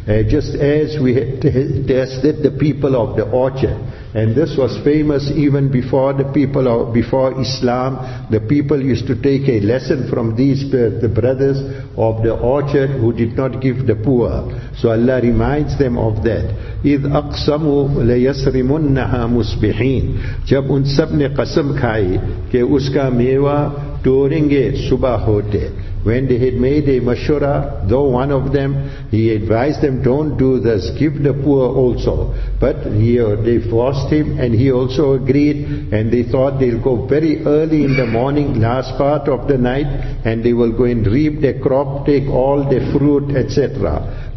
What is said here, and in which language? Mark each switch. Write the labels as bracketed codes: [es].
[en] Just as we had tested the people of the orchard. And this was famous even before the people of, before Islam. The people used to take a lesson from these the brothers of the orchard who did not give the poor. So Allah reminds them of that. [ar] إِذْ أَقْسَمُوا لَيَسْرِمُنَّهَا مُسْبِحِينَ. [ur] جب ان سب نے قسم کھائی کہ اس کا میوہ توڑیں گے صبح ہوتے. [en] When they had made a mashura, though one of them, he advised them, don't do this, give the poor also. But they forced him, and he also agreed, and they thought they'll go very early in the morning, last part of the night, and they will go and reap their crop, take all their fruit, etc.